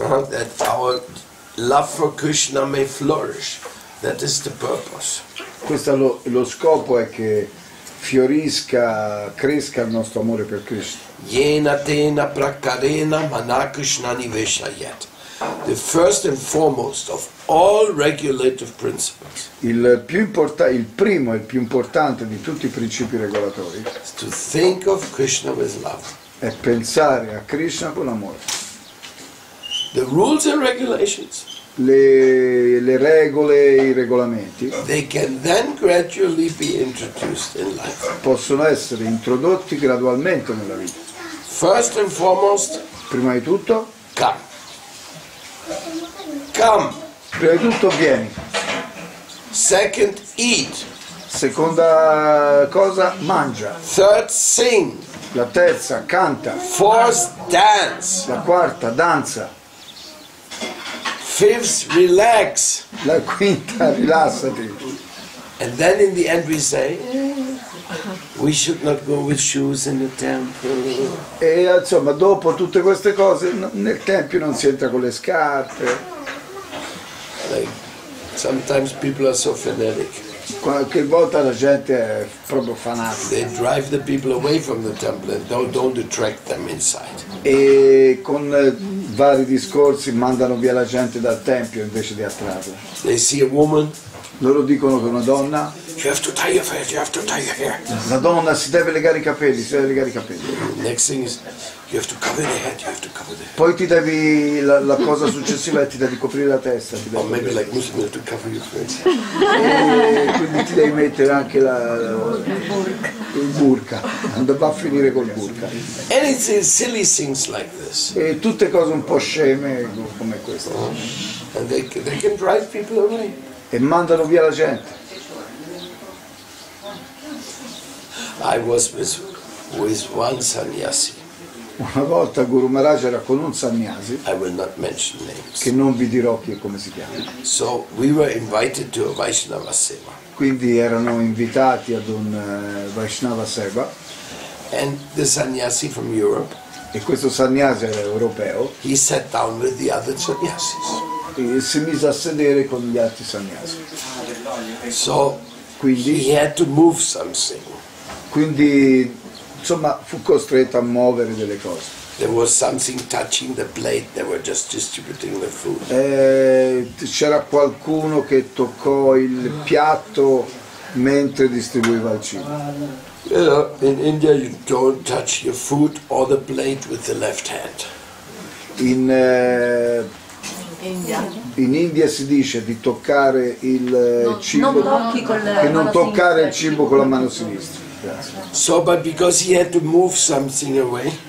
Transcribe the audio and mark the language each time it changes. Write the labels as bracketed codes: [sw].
[en] That our love for Krishna may flourish. That is the purpose. [it] questo lo, lo scopo è che fiorisca, cresca il nostro amore per Cristo. [sa] Yena tena prakarena manakrishna nivesha yet. [en] The first and foremost of all regulative principles. [it] Il più importante, il primo e il più importante di tutti i principi regolatori. [en] To think of Krishna with love. [it] È pensare a Krishna con amore. [en] The rules and regulations. [it] Le regole e i regolamenti. [en] They can then gradually be introduced in life. [it] Possono essere introdotti gradualmente nella vita. [en] First and foremost. [it] Prima di tutto. [en] Come. [it] Come. Prima di tutto vieni. [en] Second, eat. [it] Seconda cosa, mangia. [en] Third, sing. [it] La terza, canta. [en] Fourth, dance. [it] La quarta, danza. [en] Fifth, relax. [it] La quinta, rilassati. [en] And then in the end we say, we should not go with shoes in the temple. [it] E insomma, dopo tutte queste cose, nel tempio non si entra con le scarpe. [en] Like, sometimes people are so fanatic. [it] Qualche volta la gente è proprio fanatica. [en] They drive the people away from the temple and don't attract them inside. [it] E con vari discorsi mandano via la gente dal tempio invece di attrarla. [en] They see a woman. [it] Loro dicono che una donna. [en] You have to tie your hair. You have to tie your hair. [it] La donna si deve legare i capelli. Si deve legare i capelli. [en] Next thing is you have to cover the head. You have to cover the head. [it] Poi ti devi la cosa successiva è ti devi coprire la testa. Ti [en] or maybe like Muslim have to cover your face. [it] Quindi ti devi mettere anche il burka. Andava a finire col burka. [en] Anything silly things like this. [it] E tutte cose un po' sceme come questa. [en] And they can drive people away. [it] E mandano via la gente. [en] I was with one sannyasi. [it] Una volta Guru Maharaj era con un sannyasi. [en] I will not mention names. [it] Che non vi dirò chi e come si chiama. [en] So we were invited to a Vaishnava Seva. [it] Quindi erano invitati ad un Vaishnava Seva. [en] And the sannyasi from Europe. [it] E questo sannyasi era europeo. [en] He sat down with the other sannyasis. [it] E si mise a sedere con gli altri sannyasi. [en] So, [it] quindi, [en] he had to move something. [it] Quindi, insomma, fu costretto a muovere delle cose. [en] There was something touching the plate. They were just distributing the food. [it] C'era qualcuno che toccò il piatto mentre distribuiva il cibo. [en] You know, in India, you don't touch your food or the plate with the left hand. [it] In India si dice di toccare il cibo che non toccare il cibo con la mano sinistra. [en] So, but because he had to move something away.